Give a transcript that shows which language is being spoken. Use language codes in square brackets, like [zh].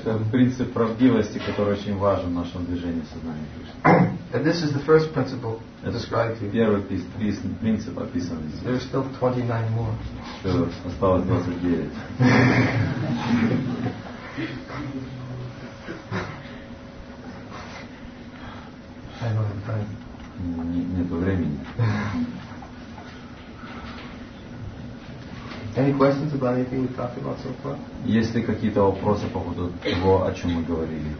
[ru] Это принцип правдивости, который очень важен в нашем движении сознания Кришны. [en] And this is the first principle described here. [ru] Первый принцип описан здесь. [en] There are still 29 more. [ru] Осталось 29. [en] I don't have time. [ru] Нету времени. [en] Any questions about anything we talked about so far? [ru] Есть ли какие-то вопросы по поводу того, о чем мы говорили?